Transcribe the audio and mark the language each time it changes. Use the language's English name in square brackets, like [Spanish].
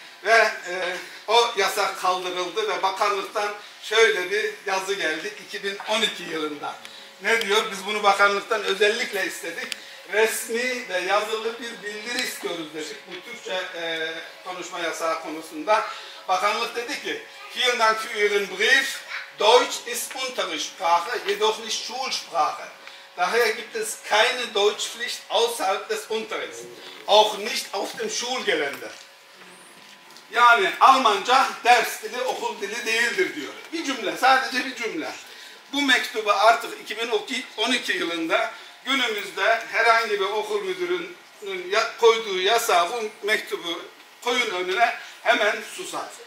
[Turkish] Ve o yasak kaldırıldı ve bakanlıktan şöyle bir yazı geldi 2012 yılında. Ne diyor? Biz bunu bakanlıktan özellikle istedik. Resmi ve yazılı bir bildiri istiyoruz dedik. Bu Türkçe konuşma yasağı konusunda. Bakanlık dedi ki, [German] Vielen Dank für Ihren Brief. Deutsch ist Unterrichtssprache, jedoch nicht Schulsprache. Daher gibt es keine Deutschpflicht außerhalb des Unterrichts. Auch nicht auf dem Schulgelände. [Turkish] Yani Almanca ders dili, okul dili değildir diyor. Bir cümle, sadece bir cümle. Bu mektubu artık 2012 yılında günümüzde herhangi bir okul müdürünün koyduğu yasağı, bu mektubu koyun önüne, hemen susar.